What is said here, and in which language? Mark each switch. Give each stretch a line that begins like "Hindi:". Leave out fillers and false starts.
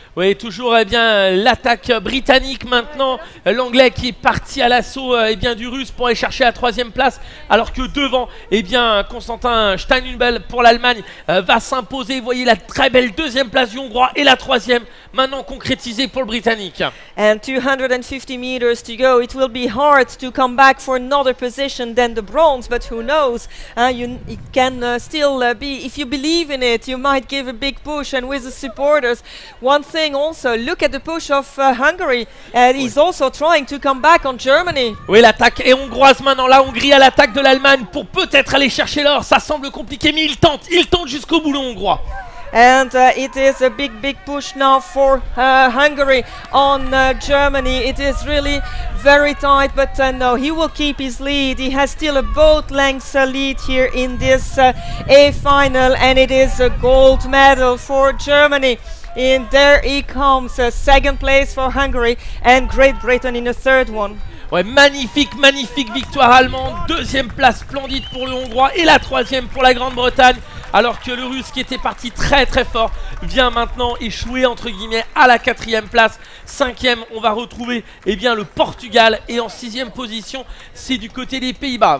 French: Oui, toujours eh bien, l'attaque britannique maintenant, l'anglais qui est parti à l'assaut eh bien, du russe pour aller chercher la troisième place, alors que devant, eh bien, Constantin Steinhubel pour l'Allemagne va s'imposer. Vous voyez la très belle deuxième place du hongrois et la troisième maintenant concrétisée pour le britannique.
English: And 250 meters to go, it will be hard to come back for another position than the bronze, but who knows, it can still be, if you believe in it, you might give a big push and with the supporters. One thing also, look at the push of Hungary, and he's also trying to come back on Germany.
French: Oui, l'attaque est hongroise maintenant, la Hongrie à l'attaque de l'Allemagne pour peut-être aller chercher l'or. Ça semble compliqué, mais il tente jusqu'au bout, le hongrois.
English: And it is a big push now for Hungary on Germany. It is really very tight, but no, he will keep his lead. He has still a boat length lead here in this A final, and it is a gold medal for Germany. And there he comes, a second place for Hungary and Great Britain in a third one.
French: Ouais, magnifique, magnifique victoire allemande. Deuxième place splendide pour le Hongrois et la troisième pour la Grande-Bretagne. Alors que le Russe, qui était parti très très fort, vient maintenant échouer entre guillemets à la quatrième place. Cinquième, on va retrouver eh bien, le Portugal. Et en sixième position, c'est du côté des Pays-Bas.